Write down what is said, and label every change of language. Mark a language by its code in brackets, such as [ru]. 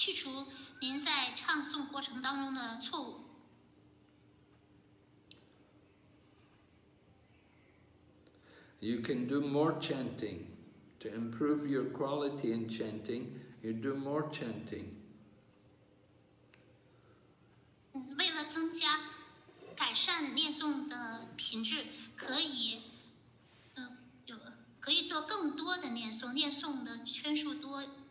[zh] 您可以向主巴拉拉玛祈祷，祈求他的仁慈，去除您在唱诵过程当中的错误。 [en] You can do more chanting to improve your quality in chanting. You do more chanting. [zh] 为了增加 改善念诵的品质，可以做更多的念诵，念诵的圈数多。